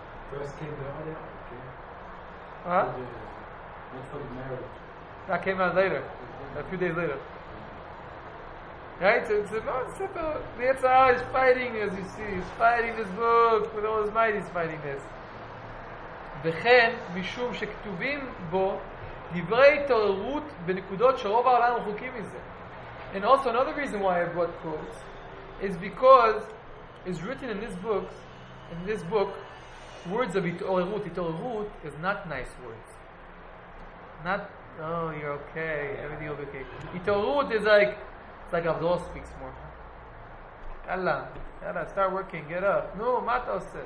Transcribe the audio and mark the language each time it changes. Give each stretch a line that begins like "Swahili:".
English: First came out. Okay. Huh? Not for the marriage. That came out later. A few days later. Right? So the Yetzirah is fighting, as you see. He's fighting this book. With all his might, he's fighting this.
Hebrew: וכן, משום שכתובים בו דברי התעוררות בנקודות שרוב העולם רחוקים מזה.
English: And also another reason why I brought quotes is because it's written in this book, words of התעוררות. התעוררות is not nice words. Not, oh, you're okay, everything will be okay. התעוררות is like, it's like Abdul speaks more. Yalla, start working, get up. No,
Hebrew: mata ose.